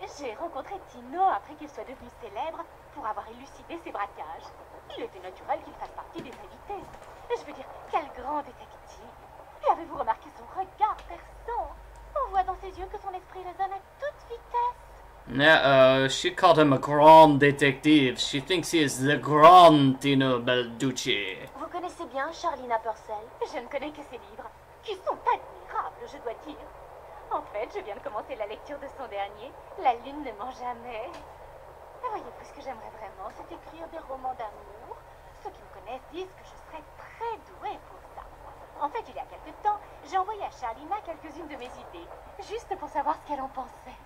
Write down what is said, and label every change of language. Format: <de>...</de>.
<fr>J'ai rencontré Tino après qu'il soit devenu célèbre pour avoir élucidé ses braquages. Il était naturel qu'il fasse partie des invités. Je veux dire, quel grand détective! Et avez-vous remarqué son regard perçant? On voit dans ses yeux que son esprit résonne à toute vitesse.</fr> <en>She called him a</en> <fr>grand détective.</fr> <en>She thinks he is the grand Tino Balducci.</en> <fr>Vous connaissez bien Charlina Purcell? Je ne connais que ses livres, qui sont admirables, je dois dire. En fait, je viens de commencer la lecture de son dernier, La Lune ne ment jamais. Et voyez-vous, ce que j'aimerais vraiment, c'est écrire des romans d'amour. Ceux qui me connaissent disent que je serais très douée pour ça. En fait, il y a quelque temps, j'ai envoyé à Charlina quelques-unes de mes idées, juste pour savoir ce qu'elle en pensait.</fr>